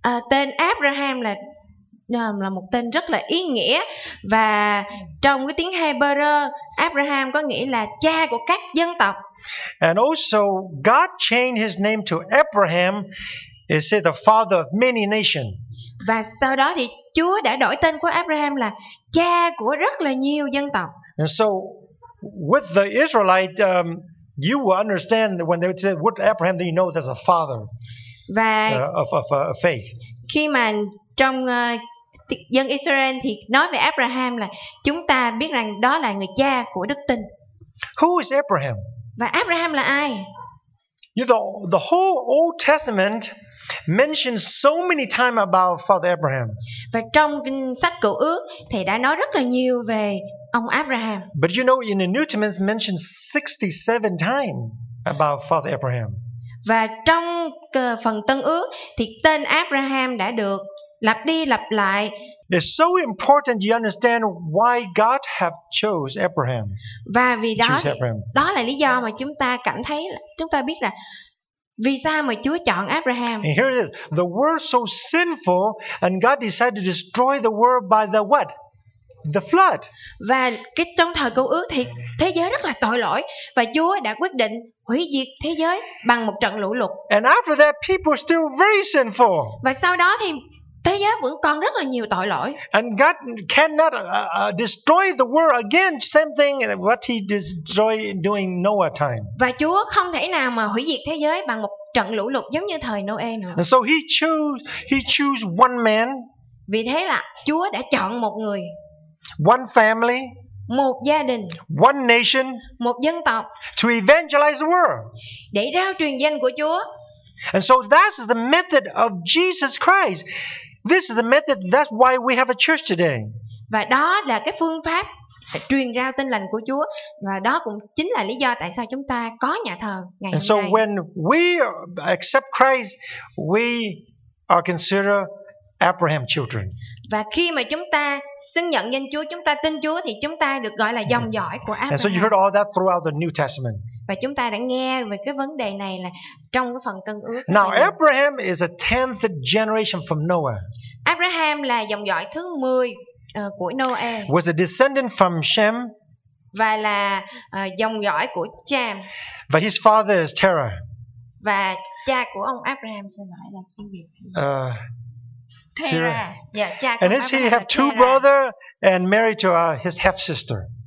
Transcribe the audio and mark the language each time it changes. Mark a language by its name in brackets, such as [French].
[Vietnamese] Tên Abraham là một tên rất là ý nghĩa, và trong cái tiếng Hebrew, Abraham có nghĩa là cha của các dân tộc. [English] And also, God changed his name to Abraham. It says the father of many nations. [Vietnamese] Và sau đó thì Chúa đã đổi tên của Abraham là cha của rất là nhiều dân tộc. [English] And so, with the Israelite, you will understand that when they would say with Abraham, then you know there's a father of faith. [Vietnamese] Khi mà trong dân Israel thì nói về Abraham là chúng ta biết rằng đó là người cha của đức tin. [English] Who is Abraham? [Vietnamese] Và Abraham là ai? [English] You know, the whole Old Testament mentions so many times about Father Abraham. [Vietnamese] Và trong sách Cựu Ước thì đã nói rất là nhiều về ông Abraham. [English] But you know, in the New Testament, it's mentioned 67 times about Father Abraham. [Vietnamese] Và trong phần Tân Ước thì tên Abraham đã được lặp đi lặp lại. [English] It's so important you understand why God have chose Abraham. [Vietnamese] Và vì đó, đó là lý do mà chúng ta cảm thấy, chúng ta biết là vì sao mà Chúa chọn Abraham. [English] And here it is. The world so sinful and God decided to destroy the world by the what? The flood. [Vietnamese] Và cái trong thời Cựu Ước thì thế giới rất là tội lỗi, và Chúa đã quyết định hủy diệt thế giới bằng một trận lũ lụt. [English] And after that, people still very sinful. [Vietnamese] Và sau đó thì thế giới vẫn còn rất là nhiều tội lỗi. [English] And God cannot destroy the world again, same thing what he destroyed during Noah time. [Vietnamese] Và Chúa không thể nào mà hủy diệt thế giới bằng một trận lũ lụt giống như thời Noe nữa. [English] And so he chose one man. [Vietnamese] Vì thế là Chúa đã chọn một người. [English] One family. [Vietnamese] Một gia đình. [English] One nation. [Vietnamese] Một dân tộc. [English] To evangelize the world. [Vietnamese] Để rao truyền danh của Chúa. [English] And so that is the method of Jesus Christ. This is the method, that's why we have a church today. [Vietnamese] Và đó là cái phương pháp truyền rao tin lành của Chúa, và đó cũng chính là lý do tại sao chúng ta có nhà thờ ngày [English] nay. And so when we accept Christ, we are considered Abraham children. [Vietnamese] Và khi mà chúng ta xin nhận danh Chúa, chúng ta tin Chúa thì chúng ta được gọi là dòng dõi của Abraham. [English] And so you heard all that throughout the New Testament. [Vietnamese] Và chúng ta đã nghe về cái vấn đề này là trong cái phần Tân Ước. [English] Now Abraham is a 10th generation from Noah. [Vietnamese] Abraham là dòng dõi thứ 10 của Noah. [English] Was a descendant from Shem. [Vietnamese] Và là dòng dõi của Cham. [English] But his father is Terah. [Vietnamese] Và cha của ông Abraham sẽ gọi là tiếng Việt. Terah. Yeah, cha của [English] and Abraham. And he have two brother and married to his half sister.